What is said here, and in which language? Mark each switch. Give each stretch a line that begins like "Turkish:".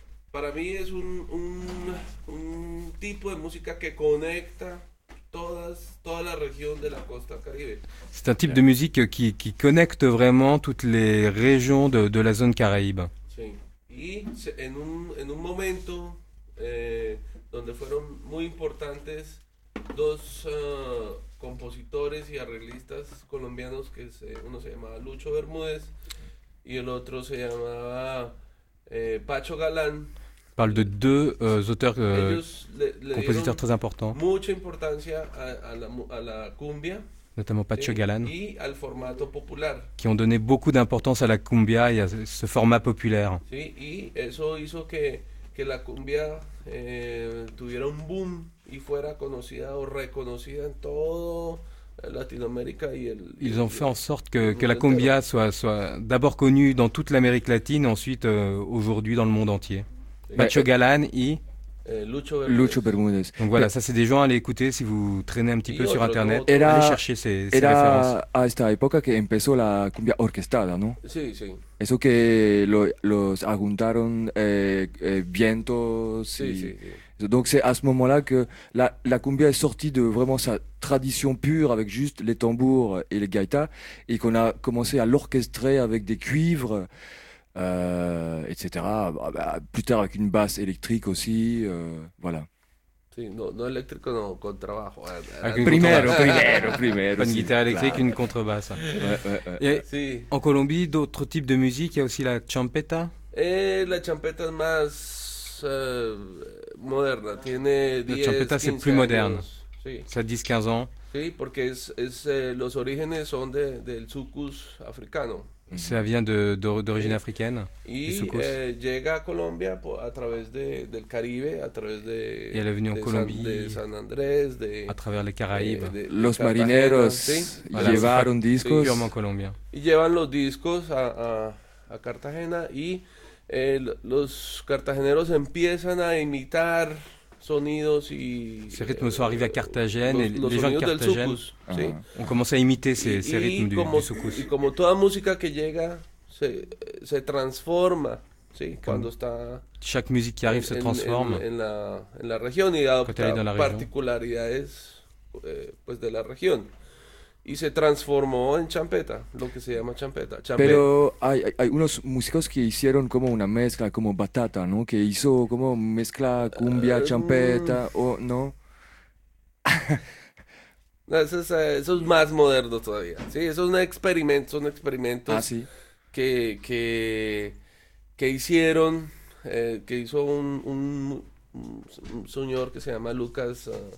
Spanish: Para mí es un tipo de música que conecta toda la región de la costa caribe.
French: C'est un type de musique qui connecte vraiment toutes les régions de la zone caraïbe.
Spanish: Sí. Y en un momento donde fueron muy importantes dos compositores y arreglistas colombianos, que uno se llamaba Lucho Bermúdez y el otro se llamaba Pacho Galán.
French: Parle de deux auteurs, compositeurs très importants.
Spanish: Mucha importancia a la cumbia,
French: notamment Pacho Galán,
Spanish: y al formato popular,
French: qui ont donné beaucoup d'importance à la cumbia et à ce format populaire.
Spanish: Sí, y eso hizo que la cumbia tuviera un boom y fuera conocida o reconocida en todo Latinoamérica y el.
French: Ils ont fait en sorte que la cumbia soit d'abord connue dans toute l'Amérique latine, ensuite aujourd'hui dans le monde entier.
Spanish: Pacho Galán y Lucho Bermúdez.
French: Donc voilà, ça c'est des gens à aller écouter si vous traînez un petit peu sur internet.
Spanish: Era,
French: allez chercher ces références.
Spanish: Era a esta época que empezó la cumbia orquestada, ¿no? Sí, sí. Eso que los juntaron vientos. Sí, y, sí, sí.
French: Donc c'est à ce moment-là que la cumbia est sortie de vraiment sa tradition pure avec juste les tambours et les gaitas et qu'on a commencé à l'orchestrer avec des cuivres. Etc. Plus tard avec une basse électrique aussi, voilà.
Spanish: Sí, no eléctrico, no contrabajo. Primero.
French: Pas une guitare électrique,
Spanish: claro.
French: Une contrebasse. Ouais.
Spanish: Sí.
French: En Colombie, d'autres types de musique, il y a aussi la champeta. Et la champeta est
Spanish: más
French: moderne.
Spanish: Tiene 10,
French: la champeta, c'est plus moderne.
Spanish: Sí.
French: Ça a 10-15 ans.
Spanish: Sí, porque los orígenes son del sucus africano.
French: Ça vient d'origine africaine.
Spanish: Llega a Colombia a través del Caribe, a través de.
French: Et elle est venue en Colombie.
Spanish: De San Andrés, de.
French: À travers les Caraïbes.
Spanish: Los marineros llevaron discos. Sí,
French: purement colombien.
Spanish: Y llevan los discos a Cartagena y los cartageneros empiezan a imitar sonidos y.
French: Ces rythmes sont arrivés à Cartagène et les gens de Cartagène ont commencé à imiter ces rythmes du soukous. Et comme toute musique qui arrive se transforme, sí, quand elle est. Chaque musique qui arrive se transforme. En la région et adopte les particularités de la région.
Spanish: Y se transformó en champeta, lo que se llama champeta. Pero hay unos músicos que hicieron como una mezcla, como batata, ¿no? Que hizo como mezcla cumbia, champeta, ¿o no? eso es más moderno todavía. Sí, eso es un experimento, son experimentos que hicieron, que hizo un señor que se llama Lucas